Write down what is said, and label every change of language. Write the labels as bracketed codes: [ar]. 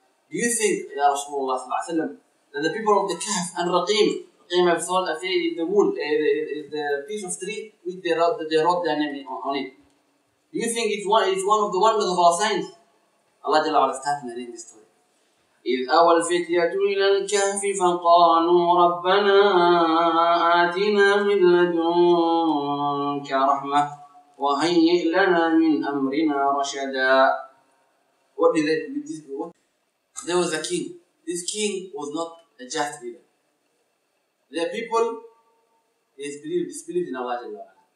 [en] Do you think, Ya Rasulullah sallallahu alayhi wa sallam, that the people of the Kahf and Raqim, Raqim have thought that they did the wool, the piece of tree which they wrote their name on it. Do you think it's one of the wonders of our signs? Allah Jalla wa'ala started narrating this story. [ar] إذ أوى الفتية إلى الكهف فقالوا ربنا آتنا من لدنك رحمة وهيئ لنا من أمرنا رشدا. [en] What did they with this? What? There was a king. This king was not a just leader. The people disbelieved in Allah Jalla Ala.